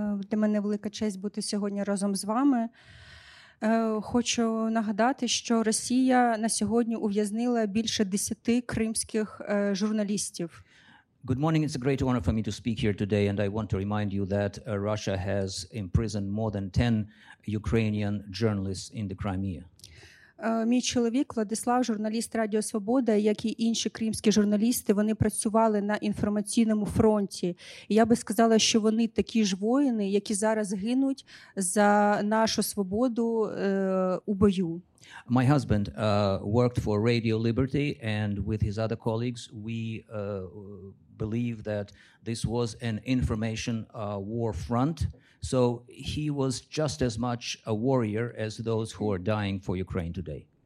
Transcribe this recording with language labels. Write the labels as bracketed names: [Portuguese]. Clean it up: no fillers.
[Ukrainian] Для мене велика честь бути сьогодні разом з вами. Хочу нагадати, що Росія на сьогодні ув'язнила більше 10 кримських журналістів. [English] Good morning. It's a great honor for me to speak here today, and I want to remind you that Russia has imprisoned more than 10 Ukrainian journalists in the Crimea. [Ukrainian] Мій чоловік Владислав, журналіст Радіо Свобода, як і інші кримські журналісти, вони працювали на інформаційному фронті. І я би сказала, що вони такі ж воїни, які зараз гинуть за нашу свободу у бою. [English] My husband worked for Radio Liberty, and with his other colleagues, we believe that this was an information war front. So he was just as much a warrior as those who are dying for Ukraine today.